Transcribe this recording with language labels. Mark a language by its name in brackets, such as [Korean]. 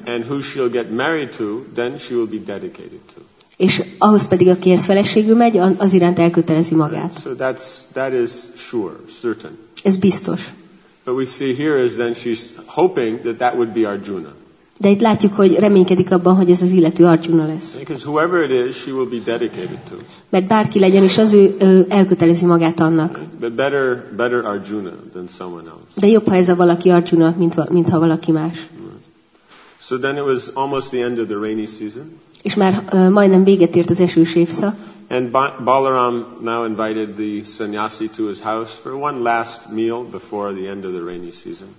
[English] And who she'll get married to, then she will be dedicated to. [Hungarian] És ahhoz pedig, akihez feleségül megy, az iránt elkötelezi magát. [English] Right? So that is sure, certain. [Hungarian] Ez biztos. [English] But we see here is then she's hoping that would be Arjuna. [Hungarian] De itt látjuk, hogy reménykedik abban, hogy ez az illető Arjuna lesz. [English] Because whoever it is, she will be dedicated to. [Hungarian] Mert bárki legyen is, az ő elkötelezi magát annak. [English] But better Arjuna than someone else. [Hungarian] De jobb, ha ez a valaki Arjuna, mint ha valaki más. [English] So then it was almost the end of the rainy season. [Hungarian] És már majdnem véget ért az esős évszak. [English] And Balaram now invited the sannyasi to his house for one last meal before the end of the rainy season.